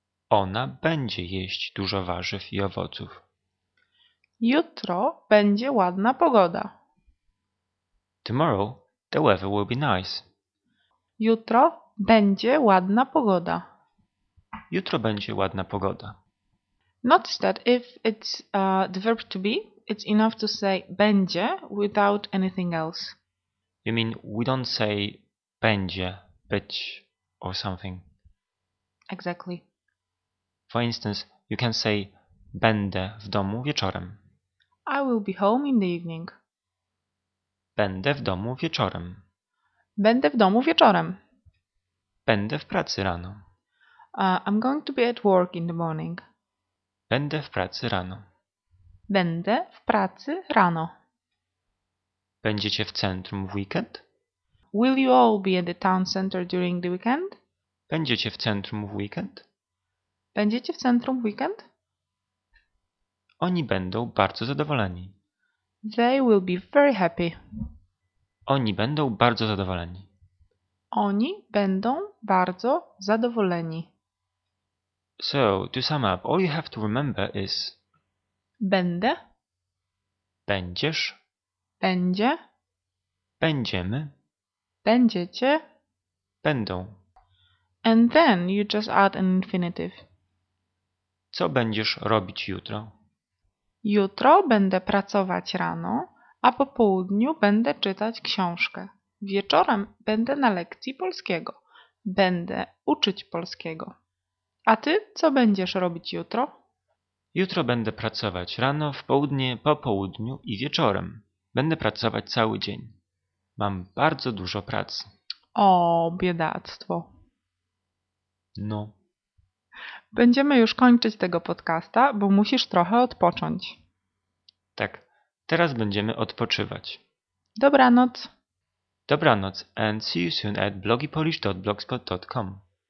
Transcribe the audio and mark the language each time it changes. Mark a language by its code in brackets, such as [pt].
[pl] Ona będzie jeść dużo warzyw i owoców. Jutro będzie ładna pogoda. [en] Tomorrow the weather will be nice. [pl] Jutro będzie ładna pogoda. Jutro będzie ładna pogoda. [en] Notice that if it's the verb to be, it's enough to say będzie without anything else. You mean we don't say będzie, być or something. Exactly. For instance, you can say [pl] będę w domu wieczorem. [en] I will be home in the evening. [pl] Będę w domu wieczorem. Będę w domu wieczorem. Będę w pracy rano. [en] I'm going to be at work in the morning. [pl] Będę w pracy rano. Będę w pracy rano. Będziecie w centrum w weekend? [en] Will you all be at the town center during the weekend? [pl] Będziecie w centrum w weekend? Będziecie w centrum w weekend? Oni będą bardzo zadowoleni. [en] They will be very happy. [pl] Oni będą bardzo zadowoleni. Oni będą bardzo zadowoleni. [en] So, to sum up, all you have to remember is... [pl] Będę. Będziesz. Będzie. Będziemy. Będziecie. Będą. [en] And then you just add an infinitive. [pl] Co będziesz robić jutro? Jutro będę pracować rano, a po południu będę czytać książkę. Wieczorem będę na lekcji polskiego. Będę uczyć polskiego. A ty co będziesz robić jutro? Jutro będę pracować rano, w południe, po południu i wieczorem. Będę pracować cały dzień. Mam bardzo dużo pracy. O, biedactwo. No. Będziemy już kończyć tego podcasta, bo musisz trochę odpocząć. Tak, teraz będziemy odpoczywać. Dobranoc. [en] Dobranoc and see you soon at blogipolish.blogspot.com.